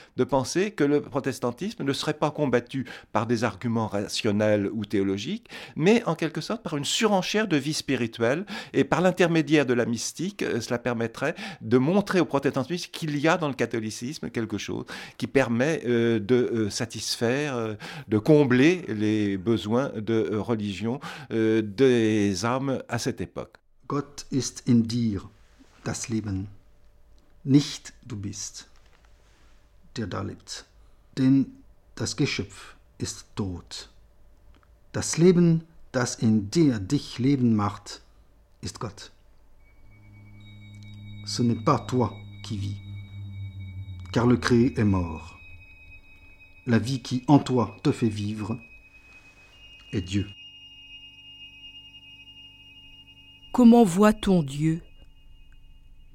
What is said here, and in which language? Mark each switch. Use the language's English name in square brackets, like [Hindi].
[French] de penser que le protestantisme ne serait pas combattu par des arguments rationnels ou théologiques, mais en quelque sorte par une surenchère de vie spirituelle, et par l'intermédiaire de la mystique, cela permettrait de montrer au protestantisme qu'il y a dans le catholicisme quelque chose qui permet de satisfaire, de combler les besoins de religion des âmes à cette époque. [German] Gott ist in dir, das Leben. Nicht du bist, der da lebt. Denn das Geschöpf ist tot. Das Leben, das in dir dich leben macht, ist Gott. [French] Ce n'est pas toi qui vis, car le Créé est mort. La vie qui en toi te fait vivre est Dieu. Comment voit-on Dieu ?